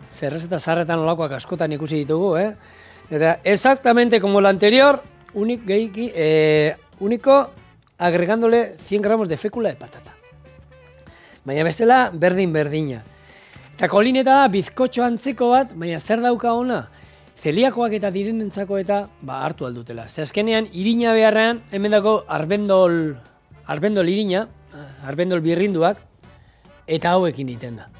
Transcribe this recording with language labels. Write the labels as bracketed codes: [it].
[eu] Ze errezeta zarretan olakoak askotan ikusi ditugu, eh? [es] Eta exactamente como la anterior, único agregándole 100 gramos de fécula de patata. [eu] Baina bestela, berdin-berdina. Eta kolineta da, bizkotxo antzeko bat, baina zer dauka ona? Zeliakoak eta direnentzako eta ba, hartu aldutela. Ze azkenean, irina beharrean, hemen dago arbendol irina, arbendol birrinduak, eta hauekin egiten da.